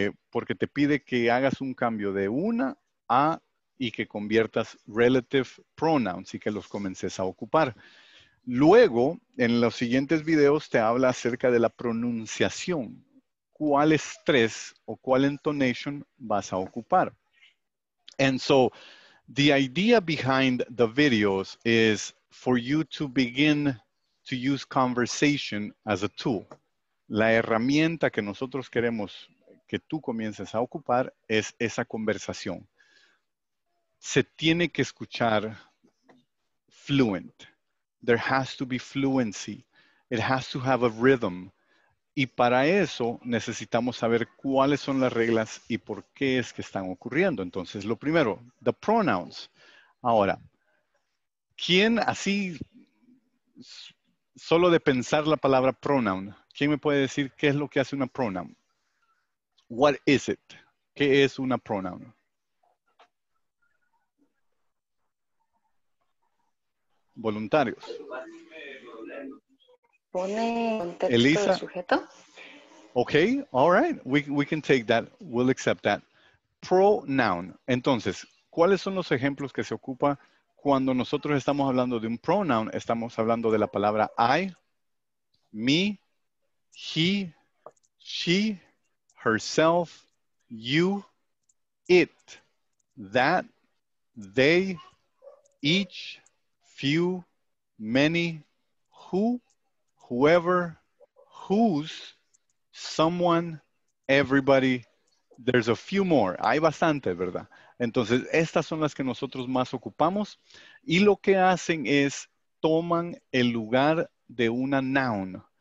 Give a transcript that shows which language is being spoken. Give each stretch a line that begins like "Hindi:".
Spanish: Porque te pide que hagas un cambio de una a y que conviertas relative pronouns y que los comiences a ocupar. Luego, en los siguientes videos, te habla acerca de la pronunciación. ¿Cuál estrés o cuál intonation vas a ocupar?
English: And so, the idea behind the videos is for you to begin to use conversation as a tool.
Spanish: La herramienta que nosotros queremos que tú comiences a ocupar es esa conversación. Se tiene que escuchar fluent.
English: There has to be fluency. It has to have a rhythm.
Spanish: Y para eso necesitamos saber cuáles son las reglas y por qué es que están ocurriendo. Entonces, lo primero, the pronouns. Ahora, ¿quién así, solo de pensar la palabra pronoun, quién me puede decir qué es lo que hace una pronoun?
English: What is it?
Spanish: ¿Qué es una pronoun? Voluntarios. Pone Elisa. El sujeto.
English: Ok, all right. We can take that. We'll accept that. Pronoun.
Spanish: Entonces, ¿cuáles son los ejemplos que se ocupa cuando nosotros estamos hablando de un pronoun? Estamos hablando de la palabra I, me, he, she, herself, you, it, that, they, each, few, many, who, whoever, whose, someone, everybody,
English: there's a few more.
Spanish: Hay bastante, ¿verdad? Entonces, estas son las que nosotros más ocupamos. Y lo que hacen es, toman el lugar de una noun.